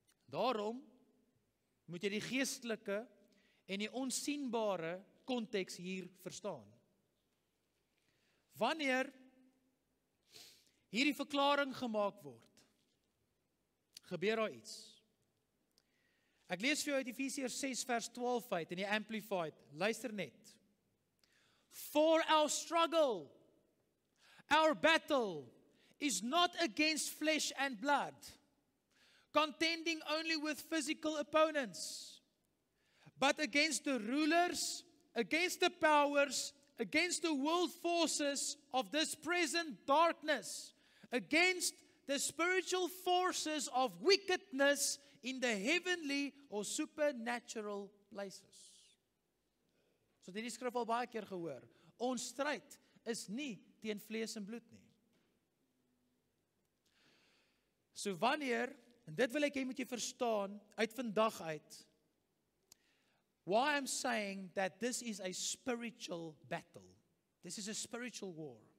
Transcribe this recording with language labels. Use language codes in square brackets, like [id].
[af] Daarom moet jy die geestelike en die onsigbare konteks hier verstaan. Wanneer hierdie verklaring gemaak word, gebeur daar iets. Ek lees vir jou uit Efesiërs 6 vers 12 uit in die Amplified. Luister net. [en] For our struggle, our battle is not against flesh and blood, contending only with physical opponents, but against the rulers, against the powers, against the world forces of this present darkness, against the spiritual forces of wickedness in the heavenly or supernatural places. [af] So dit die skrif al baie keer gehoor. Ons stryd is nie teen vlees en bloed nie. So wanneer, en dit wil ek jy moet jy verstaan, uit vandag uit, [en] why I'm saying that this is a spiritual battle. This is a spiritual war.